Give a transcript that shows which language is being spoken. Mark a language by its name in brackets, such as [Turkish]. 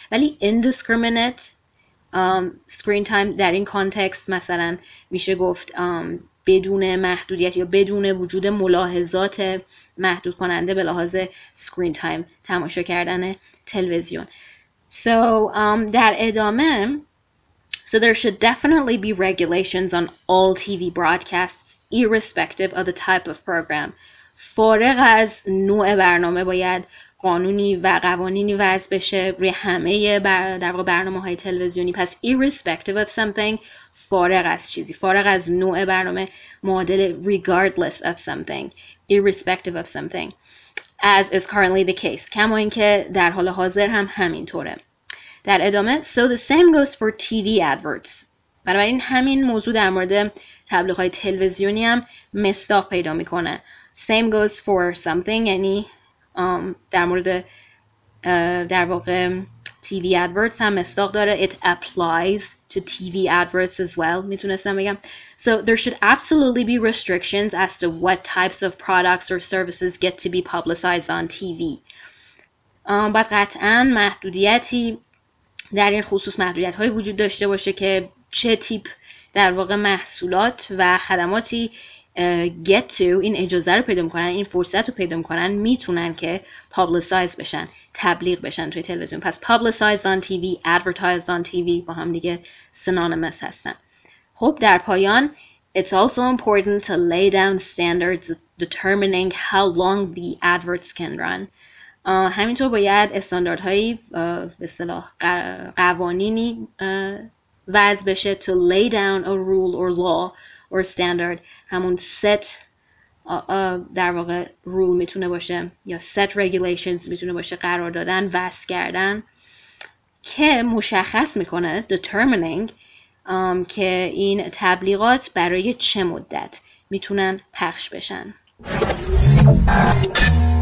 [Persian] ولی [English] indiscriminate screen time [Persian] در این کانتکست مثلا میشه گفت بدون محدودیت یا بدون وجود ملاحظات محدود کننده به لحاظ screen time تماشا کردن تلویزیون. در ادامه، [English] so there should definitely be regulations on all TV broadcasts irrespective of the type of program. [Persian] فارغ از نوع برنامه باید قانونی و قوانینی وضع بشه روی همه در واقع برنامه‌های تلویزیونی. پس [English] irrespective of something، [Persian] فارغ از چیزی، فارغ از نوع برنامه، معادل [English] regardless of something، [Persian] irrespective of something، [English] as is currently the case، [Persian] کما اینکه در حال حاضر هم همینطوره. در ادامه، [English] so the same goes for TV adverts. [Persian] بنابراین همین موضوع در مورد تبلیغات تلویزیونی هم مصداق پیدا میکنه. [English] Same goes for something، [Persian] یعنی در مورد در واقع TV adverts هم مصداق داره. [English] It applies to TV adverts as well، [Persian] میتونستم بگم. [English] So there should absolutely be restrictions as to what types of products or services get to be publicized on TV. [Persian] باید قطعا محدودیتی در این خصوص، محدودیت های وجود داشته باشه که چه تیپ در واقع محصولات و خدماتی [English] get to، [Persian] این اجازه رو پیدا میکنن، این فرصت رو پیدا میکنن، میتونن که publicize بشن، تبلیغ بشن توی تلویزیون. پس [English] publicized on TV، advertised on TV [Persian] با هم دیگه synonymous هستن. خب در پایان، [English] it's also important to lay down standards determining how long the adverts can run. [Persian] همینطور باید استانداردهایی به اصطلاح قوانینی وضع بشه، [English] to lay down a rule or law or standard، [Persian] همون set در واقع rule میتونه باشه یا [English] set regulations [Persian] میتونه باشه، قرار دادن، وضع کردن، که مشخص میکنه determining که این تبلیغات برای چه مدت میتونن پخش بشن.